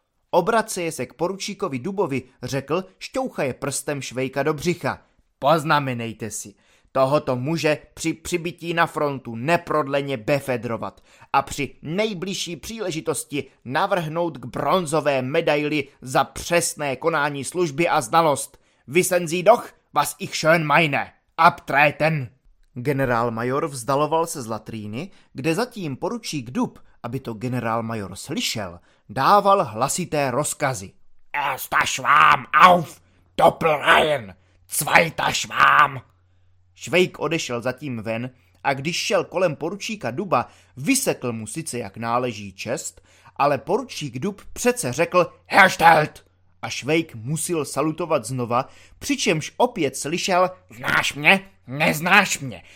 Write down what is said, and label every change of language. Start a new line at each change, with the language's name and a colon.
Czech: Obraceje se k poručíkovi Dubovi, řekl, šťouchaje prstem Švejka do břicha. Poznamenejte si. Tohoto muže při přibití na frontu neprodleně befedrovat a při nejbližší příležitosti navrhnout k bronzové medaili za přesné konání služby a znalost.
German: Wissen Sie doch, was ich schön meine. Abtreten!
Czech: Generálmajor vzdaloval se z latríny, kde zatím poručík Dub, aby to generálmajor slyšel, dával hlasité rozkazy.
German: Ersta Schwarm auf, Doppelreihen, zweiter Schwarm!
Czech: Švejk odešel zatím ven a když šel kolem poručíka Duba, vysekl mu sice jak náleží čest, ale poručík Dub přece řekl
German: Herstelt!
Czech: A Švejk musil salutovat znova, přičemž opět slyšel Znáš mě? Neznáš mě.